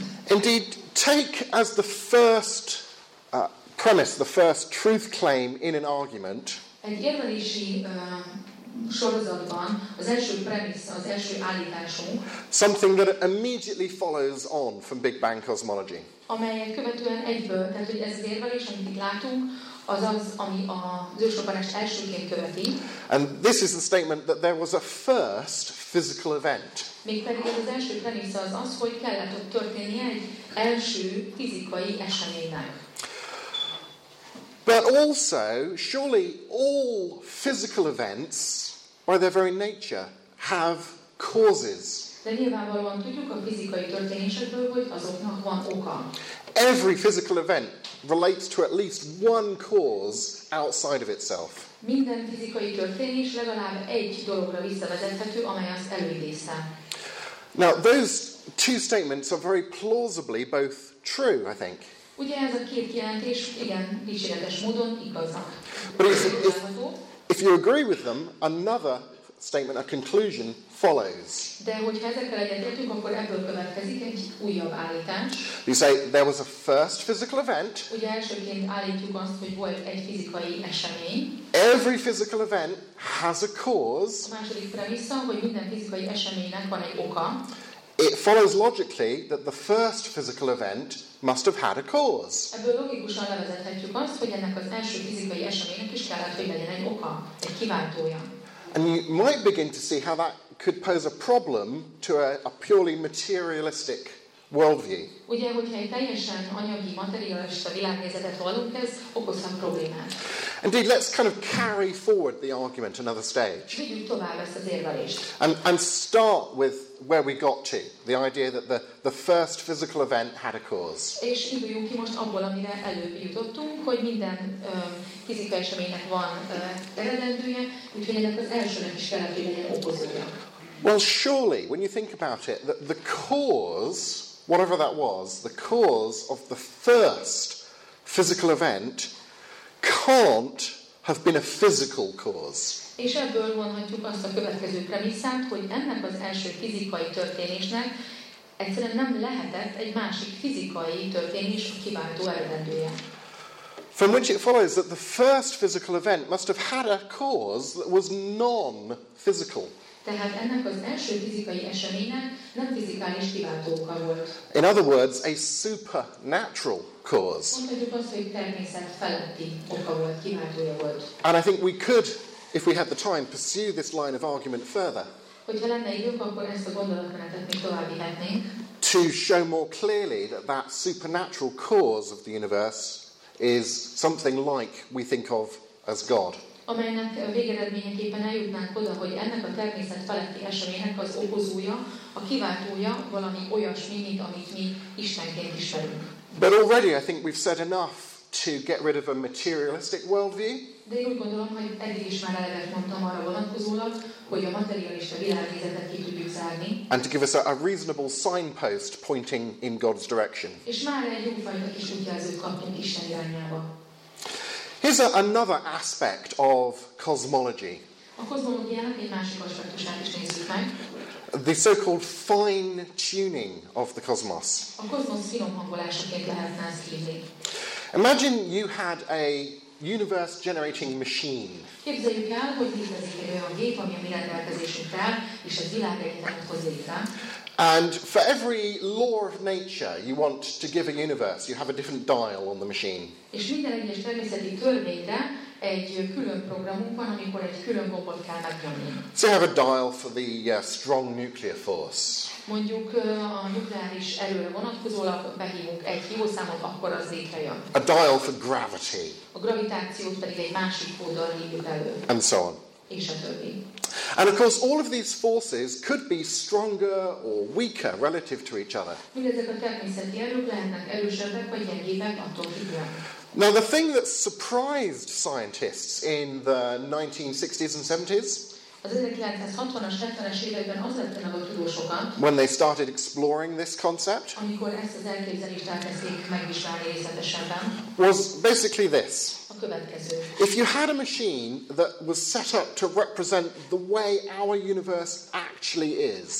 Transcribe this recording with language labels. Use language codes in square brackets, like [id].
[en] Indeed, take as the first premise, the first truth claim in an argument, something that immediately follows on from Big Bang cosmology. [hu] Amelyet követően egyből, tehát hogy ez az érvelés, amit itt látunk, az az, ami az ősrobbanást elsőként követi. [en] And this is the statement that there was a first physical event. [hu] Mégpedig az első premissza az az, hogy kellett ott történni egy első fizikai eseménynek. [en] But also, surely all physical events, by their very nature, have causes. [hu] De nyilvánvalóan tudjuk a fizikai történésekből, hogy azoknak van oka. [en] Every physical event relates to at least one cause outside of itself. [hu] Minden fizikai történés legalább egy dologra visszavezethető, amely azt előidézte. [en] Now, those two statements are very plausibly both true, I think. [hu] Ugye ez a két kijelentés, igen, kísérletes módon igazak. [en] But if you agree with them, another statement, a conclusion, follows. [hu] De hogyha ezekkel egyetértünk, akkor ebből következik egy újabb állítás. [en] You say, there was a first physical event. [hu] Ugye elsőként állítjuk azt, hogy volt egy fizikai esemény. [en] Every physical event has a cause. [hu] A második premissza, hogy minden fizikai eseménynek van egy oka. [en] It follows logically that the first physical event must have had a cause. [hu] Ebből logikusan levezethetjük azt, hogy ennek az első fizikai eseménynek is kellett, hogy legyen egy oka, egy kiváltója. [en] And you might begin to see how that could pose a problem to a purely materialistic worldview. [hu] Ugye, hogyha egy teljesen anyagi, materialista világnézetet hallunk, ez okozhat problémát. [en] Indeed, let's kind of carry forward the argument another stage. [hu] Vigyük tovább ezt az érvelést. [en] And start with where we got to, the idea that the first physical event had a cause. [hu] És induljunk ki most abból, amire előbb jutottunk, hogy minden fizikai eseménynek van eredendője, úgyhogy ennek az elsőnek is kellett, hogy legyen okozója. [en] Well, surely, when you think about it, the cause, whatever that was, the cause of the first physical event can't have been a physical cause. [hu] És ebből vonhatjuk azt a következő premisszát, hogy ennek az első fizikai történésnek egyszerűen nem lehetett egy másik fizikai történés a kiváltó eredendője. [en] From which it follows that the first physical event must have had a cause that was non-physical. [hu] Tehát ennek az első fizikai eseménynek nem fizikális kiváltó oka volt. [en] In other words, a supernatural cause. [hu] Mondhatjuk azt, hogy természet feletti oka volt, kiváltója volt. [en] And I think we could, if we had the time, pursue this line of argument further. [hu] Hogyha lenne idők, akkor ezt a gondolatmenetet még tovább vihetnénk. [en] To show more clearly that supernatural cause of the universe is something like we think of as God. [hu] Amelynek végeredményeképpen eljutnánk oda, hogy ennek a természet feletti eseménynek az okozója, a kiváltója valami olyasmi, mint amit mi Istenként ismerünk. [en] But already I think we've said enough to get rid of a materialistic worldview. [hu] De én úgy gondolom, hogy eddig is már eleget mondtam arra vonatkozólag, hogy a materialista világnézetet ki tudjuk zárni. [en] And to give us a reasonable signpost pointing in God's direction. [hu] És már egy jófajta kis útjelzőt kaptunk Isten irányába. [en] Here's another aspect of cosmology. [hu] A kozmológiának egy másik aspektusát is nézzük meg. [en] The so-called fine tuning of the cosmos. [hu] A kozmosz finom hangolásaként lehetne ezt hívni. [en] Imagine you had a universe generating machine. [hu] Képzeljük el, hogy létezik egy olyan gép, ami a mi rendelkezésünkre áll, és a világegyetemet hozza létre. [en] And for every law of nature you want to give a universe, you have a different dial on the machine. [hu] És minden egyes természeti törvényre egy külön programunk van, amikor egy külön gombot kell megnyomni. [en] So you have a dial for the strong nuclear force. [hu] Mondjuk a nukleáris erőre vonatkozólag behívunk egy jó számot, akkor az létre jön. [en] A dial for gravity. [hu] A gravitációt pedig egy másik oldal hívjuk elő. [en] And so on. [hu] És a többi. [en] And of course, all of these forces could be stronger or weaker relative to each other. [hu] Mindezek a természeti erők lehetnek erősebbek vagy gyengébbek attól függően. [en] Now, the thing that surprised scientists in the 1960s and 70s, [hu] az 1960-as, 70-es években az lett meg a tudósokat, [en] when they started exploring this concept, [hu] amikor ezt az elképzelést elkezdték megvizsgálni részletesebben, [en] was basically this. [hu] A következő. [en] If you had a machine that was set up to represent the way our universe actually is,